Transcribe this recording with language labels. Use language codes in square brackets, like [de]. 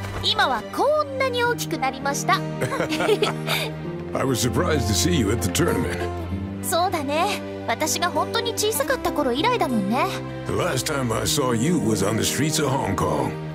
[en] I was surprised to see you at the tournament. [ja] So だね。私が本当に小さかった頃以来だもんね。 [en] The last time I saw you was on the streets of Hong Kong.